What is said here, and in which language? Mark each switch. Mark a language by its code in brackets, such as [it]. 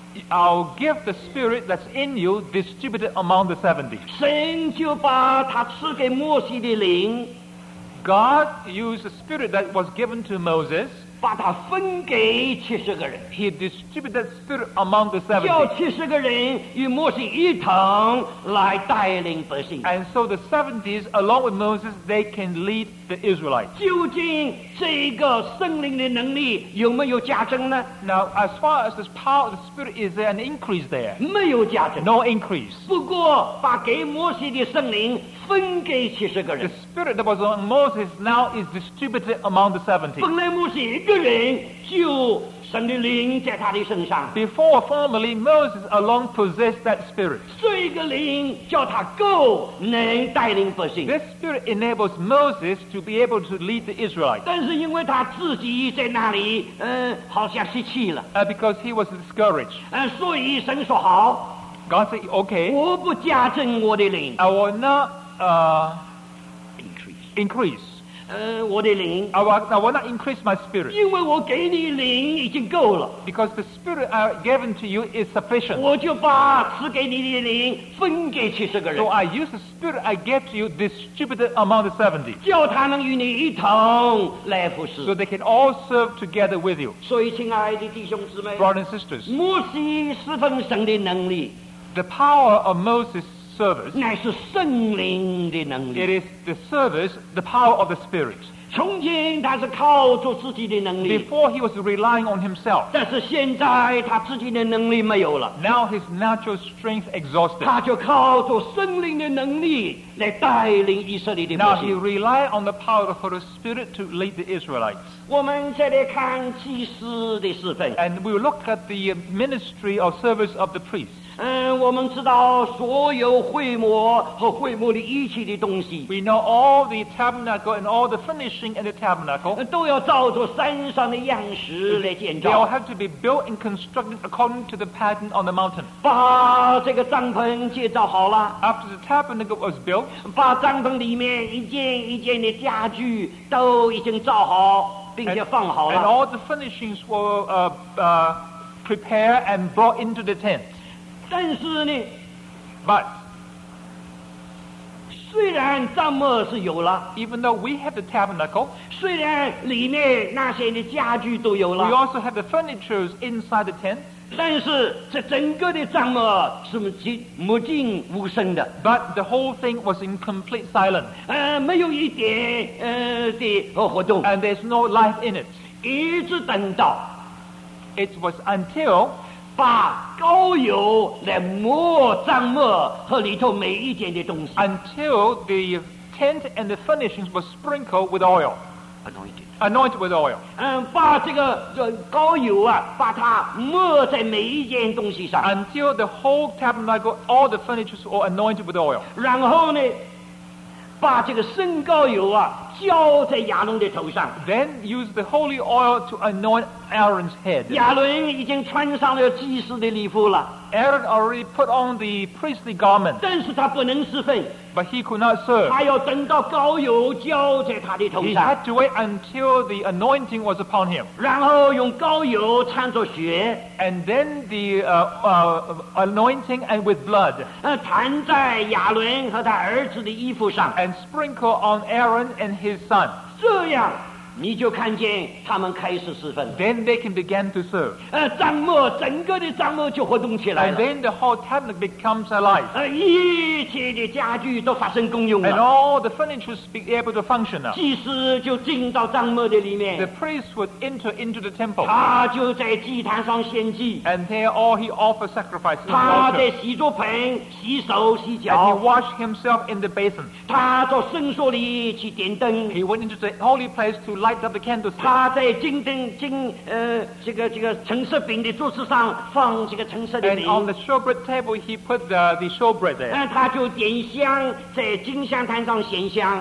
[en] I'll give the spirit that's in you distributed among the 70. [zh] 神就把他赐给摩西的灵。 [en] God used the spirit that was given to Moses. [zh] 把他分给七十个人。 [en] He distributed that spirit among the 70. [zh] 叫七十个人与摩西一同来带领百姓。 [en] And so the 70s, along with Moses, they can lead the Israelites. [zh] 究竟这个圣灵的能力有没有加增呢？ [en] Now, as far as this power of the spirit, is there an increase there? [zh] 没有加增。 [en] No increase. [zh] 不过把给摩西的圣灵分给七十个人。 [en] The spirit that was on Moses now is distributed among the 70. [zh] 本来摩西一个人就神的灵在他的身上。 [en] Before, formerly, Moses alone possessed that spirit. [zh] 这个灵叫他够能带领百姓。 [en] This spirit enables Moses to be able to lead the Israelites. [zh] 但是因为他自己在那里好像失气了。 [en] Because he was discouraged. [zh] 所以神说好。 [en] God said, okay. [zh] 我不加增我的灵。 [en] I will not increase. Increase. [zh] 我的灵。 [en] I will not increase my spirit. [zh] 因为我给你灵已经够了。 [en] Because the spirit I've given to you is sufficient. [zh] 我就把赐给你的灵分给七十个人。 [en] So I use the spirit I gave to you distributed among the 70. [zh] 叫他能与你一同来服侍。 [en] So they can all serve together with you. [zh] 所以，亲爱的弟兄姊妹。 [en] Brothers and sisters. [zh] 摩西侍奉神的能力。 [en] The power of Moses. Service, [zh] 乃是圣灵的能力。 [en] It is the service, the power of the Spirit. [zh] 从前他是靠着自己的能力。 [en] Before he was relying on himself. [zh] 但是现在他自己的能力没有了。 [en] Now his natural strength exhausted. [zh] 他就靠着圣灵的能力来带领以色列的百姓。 [en] Now he relied on the power of the Holy Spirit to lead the Israelites. [zh] 我们再来看祭司的侍奉。 [en] And we will look at the ministry or service of the priests. [zh] 我们知道所有会幕和会幕的一切的东西。 [en] We know all the tabernacle and all the furnishing in the tabernacle. [zh] 都要照着山上的样式来建造。 [en] They all have to be built and constructed according to the pattern on the mountain. [zh] 把这个帐篷建造好了。 [en] After the tabernacle was built. [zh] 把帐篷里面一件一件的家具都已经造好，并且放好了。 [en] And all the furnishings were prepared and brought into the tent. [zh] 但是呢 [en] But [zh] 虽然帐幕是有了 [en] Even though we have the tabernacle [zh] 虽然里面那些的家具都有了 [en] We also have the furniture inside the tent [zh] 但是这整个的帐幕是默静无声的 [en] But the whole thing was in complete silence [zh] 没有一点的活动 [en] And there's no life in it [zh] 一直等到 [en] It was until [zh] 把膏油来抹帐幕和里头每一件的东西 [en] until the tent and the furnishings were sprinkled with oil anointed with oil [zh] 把这个膏油啊把它抹在每一件东西上 [en] until the whole tabernacle all the furnitures were anointed with oil [zh] 然后呢把这个圣膏油啊浇在亚伦的头上 [en] then use the holy oil to anoint Aaron's head [zh] 亚伦已经穿上了祭司的礼服了 [en] Aaron already put on the priestly garment [zh] 但是他不能侍奉 [en] but he could not serve [zh] 他要等到膏油浇在他的头上 [en] he had to wait until the anointing was upon him [zh] 然后用膏油掺着血 [en] and then the anointing and with blood [zh] 掺在亚伦和他儿子的衣服上 [en] and sprinkle on Aaron and his son [zh] 这样你就看见他们开始侍奉 [en] Then they can begin to serve. [zh] 帐幕整个的帐幕就活动起来了 [en] And then the whole tabernacle becomes alive. [zh] 一切的家具都发生功用了 [en] And all the furniture be able to function now. [zh] 祭司就进到帐幕的里面 [en] The priest would enter into the temple. [zh] 他就在祭坛上献祭 [en] And there all he offered sacrifices. [zh] 他在洗桌盆洗手洗脚 [en] And he washed himself in the basin. [zh] 他到圣所里去点灯 [en] He went into the holy place to light up the candlestick [zh] 他在金灯金橙色饼的桌子上放这个橙色的饼 [en] and on the showbread table he put the showbread there [zh] 他就点香在金香坛上献香